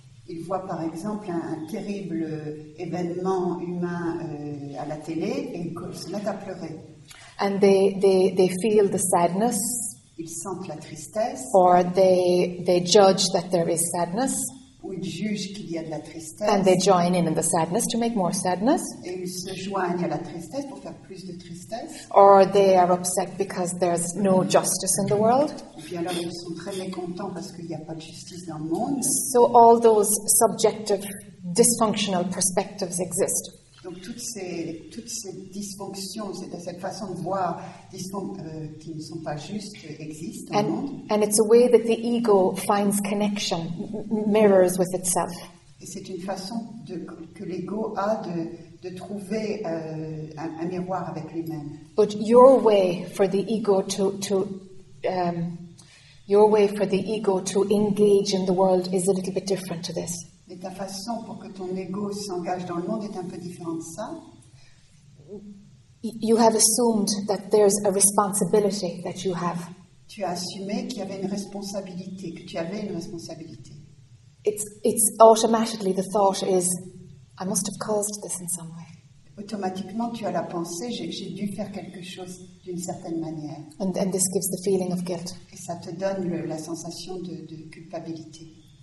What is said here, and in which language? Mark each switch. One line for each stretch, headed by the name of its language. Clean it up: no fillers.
French: Ils voient par exemple un terrible événement humain à la télé et ils se mettent à pleurer.
English: And they feel the sadness.
French: Ils sentent la tristesse.
English: Or they judge that there is sadness.
French: Ou ils jugent qu'il y a de la tristesse.
English: And they join in the sadness to make more sadness.
French: Et ils se joignent à la tristesse pour faire plus de tristesse.
English: Or they are upset because there's no justice in the world.
French: Et puis alors ils sont très mécontents parce qu'il n'y a pas de justice dans le monde.
English: So all those subjective, dysfunctional perspectives exist.
French: Donc toutes ces dysfonctions, cette façon de voir qui ne sont pas justes existent au monde.
English: And it's a way that the ego finds connection, mirrors with itself.
French: Et c'est une façon que l'ego a de trouver un miroir avec lui-même.
English: But your way for the ego to engage in the world is a little bit different to this.
French: Et ta façon pour que ton ego s'engage dans le monde est un peu différente de ça.
English: You have assumed that there's a responsibility that you have.
French: Tu as assumé qu'il y avait une responsabilité, que tu avais une responsabilité.
English: It's automatically the thought is, I must have caused this in some way.
French: Automatiquement, tu as la pensée, j'ai dû faire quelque chose d'une certaine manière.
English: And this gives the feeling of guilt.
French: Et ça te donne la sensation de culpabilité.